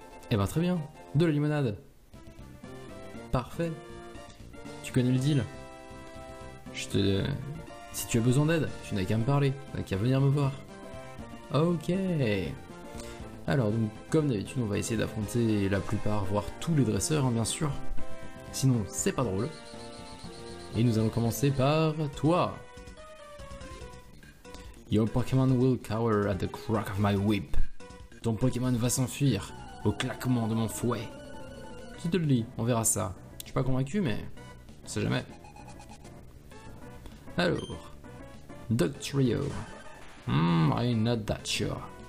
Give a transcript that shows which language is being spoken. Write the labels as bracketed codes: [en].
[fr] Eh ben, très bien, de la limonade. Parfait. Tu connais le deal? Je te... Si tu as besoin d'aide, tu n'as qu'à me parler, tu n'as qu'à venir me voir. Ok, alors donc comme d'habitude on va essayer d'affronter la plupart, voire tous les dresseurs hein, bien sûr, sinon c'est pas drôle. Et nous allons commencer par toi. [en] Your Pokémon will cower at the crack of my whip. [fr] Ton Pokémon va s'enfuir au claquement de mon fouet. Tu te le dis, on verra ça. Je suis pas convaincu mais, on sait jamais. Alors, Dugtrio. [en] I'm not that sure.